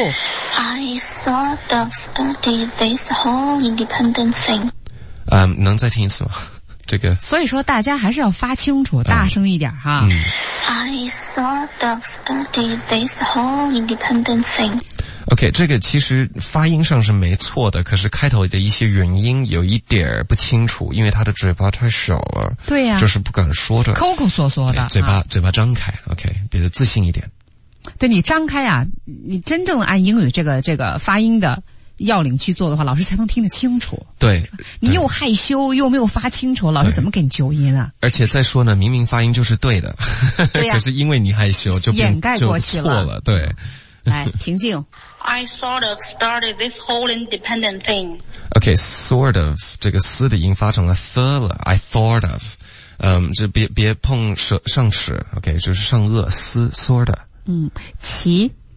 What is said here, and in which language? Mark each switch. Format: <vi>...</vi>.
<en>I sort of started this whole independent thing.</en> <zh>能再听一次吗？这个。所以说大家还是要发清楚，大声一点哈。</zh> <en>I sort of started this whole independent thing.</en> <zh>OK, 这个其实发音上是没错的，可是开头的一些元音有一点不清楚，因为他的嘴巴太小了。对呀，就是不敢说的。抠抠缩缩的。嘴巴、啊、嘴巴张开 ,OK, 比较自信一点。对，你张开啊，你真正按英语这个发音的要领去做的话，老师才能听得清楚。对。你又害羞又没有发清楚，老师怎么给你纠音啊？而且再说呢，明明发音就是对的。对呀、啊。可是因为你害羞就掩盖过去了。错了，对。来，平静。</zh> <en>I sort of started this whole independent thing.</en> <zh>Okay, sort of, 这个 s 的音发成了 th 了。</zh> <en>I thought of,</en> <zh>就别碰上齿 ,okay, 就是上颚 ,s, sort of. 嗯，齐。</zh>